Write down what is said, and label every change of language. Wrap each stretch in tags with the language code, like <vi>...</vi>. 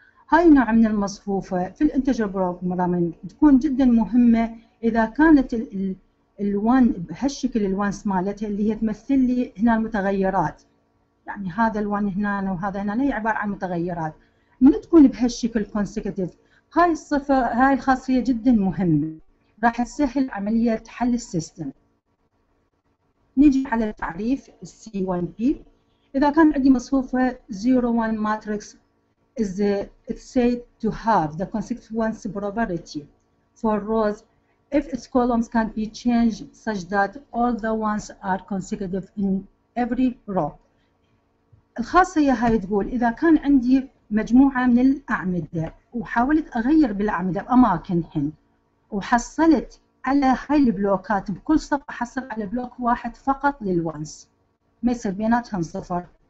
<ar>هاي نوع من المصفوفة في الانتجر بروجرامينج تكون جدا مهمة إذا كانت الوان بهالشكل، الوان مالتها اللي هي تمثل لي هنا المتغيرات، يعني هذا الوان هنا وهذا هنا هي عبارة عن متغيرات. من تكون بهالشكل consecutive، هاي الصفة هاي الخاصية جدا مهمة، راح تسهل عملية حل السيستم. نيجي على تعريف C1P. إذا كان عندي مصفوفة</ar> <en>0-1 matrix is said to have the consecutive ones probability for rows if its columns can be changed such that all the ones are consecutive in every row.</en> <ar>الخاصية هاي تقول إذا كان عندي مجموعة من الأعمدة وحاولت أغير بالأعمدة بأماكنهن وحصلت على هاي البلوكات، بكل صف أحصل على بلوك واحد فقط للونس، ما يصير بيناتهم صفر.</ar>